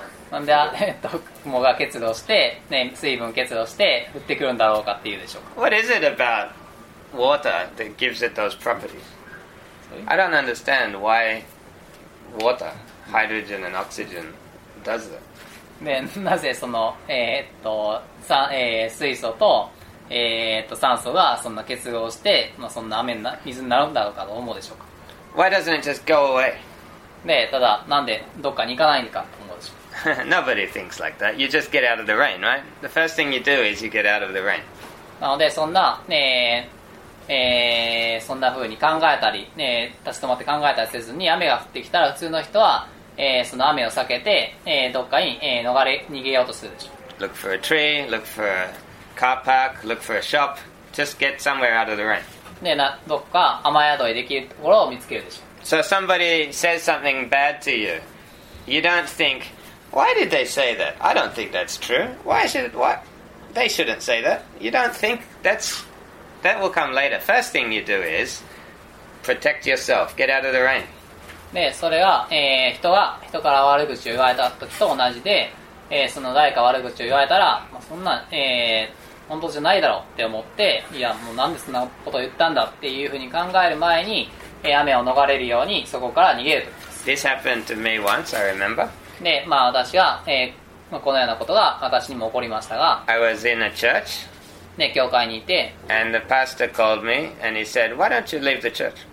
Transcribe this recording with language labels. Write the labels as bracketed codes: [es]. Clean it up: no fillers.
[ja] なんで、雲が結露して、ね、水分結露して降ってくるんだろうかっていうでしょうか。 [en] What is it about water that gives it those properties? I don't understand why water, hydrogen and oxygen, does that. [ja] で、なぜその、水素と、酸素がそんな結露して、まあ、そんな雨な水になるんだろうかと思うでしょうか。 [en] Why doesn't it just go away? [ja] で、ただ、なんでどっかに行かないのかと思うでしょう。 [en] Nobody thinks like that. You just get out of the rain, right? The first thing you do is you get out of the rain. [ja] なのでそんな、そんな風に考えたり、立ち止まって考えたりせずに雨が降ってきたら普通の人は、その雨を避けて、どっかに、逃げようとするでしょう。 [en] Look for a tree, look for a car park, look for a shop. Just get somewhere out of the rain. [ja] で、どっか雨宿りできるところを見つけるでしょう。 [en] So somebody says something bad to you, you don't think... Why did they say that? I don't think that's true. Why should it? What? They shouldn't say that. You don't think that's... That will come later. First thing you do is protect yourself. Get out of the rain. [ja] で、それは、人から悪口を言われた時と同じで、その誰か悪口を言われたら、まあ、そんな、本当じゃないだろうって思って、いや、もうなんでそんなことを言ったんだっていうふうに考える前に、雨を逃れるようにそこから逃げると。 [en] This happened to me once, I remember. [ja] で、まあ私は、このようなことが私にも起こりましたが [en] I was in a church [ja] で、教会にいて [en] And the pastor called me and he said, why don't you leave the church?